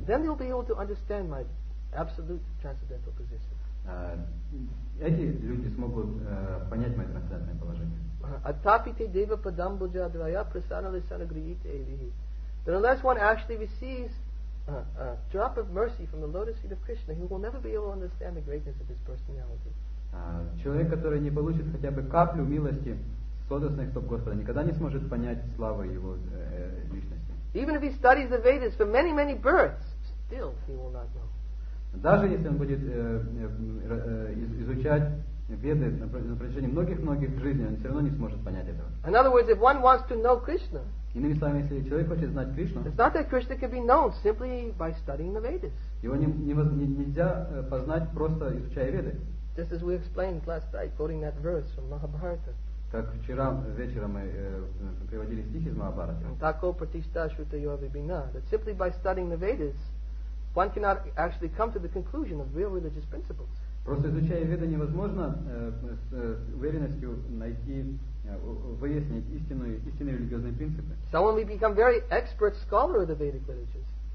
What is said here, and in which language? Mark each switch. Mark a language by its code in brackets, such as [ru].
[en] Then they'll be able to understand my absolute transcendental position. [ru] Эти люди смогут понять мое трансцендентное положение. [sa] Атапите дева падамбуджа двая прасанали санагриите эвихи. [en] That unless one actually receives a drop of mercy from the lotus feet of Krishna, he will never be able to understand the greatness of his personality. [ru] Человек, который не получит хотя бы каплю милости с лотосных стоп Господа, никогда не сможет понять славы его личности. [en] Even if he studies the Vedas for many, many births, still he will not know. [ru] Даже если он будет изучать Веды на протяжении многих-многих жизней, он все равно не сможет понять этого. [en] In other words, if one wants to know Krishna, [ru] иными словами, если человек хочет знать Кришну, [en] it's not that Krishna can be known simply by studying the Vedas. [ru] Его нельзя познать просто изучая Веды. [en] Just as we explained last night, quoting that verse from Mahabharata. [ru] Как вчера вечером мы приводили стих из Махабхараты. [sa] Тако пратишта шрута йо вибина. [en] That simply by studying the Vedas, one cannot actually come to the conclusion of real religious principles. [ru] Просто изучая Веды невозможно с уверенностью найти, выяснить истинные религиозные принципы. [en] Someone may become very expert scholar of the Vedic literatures.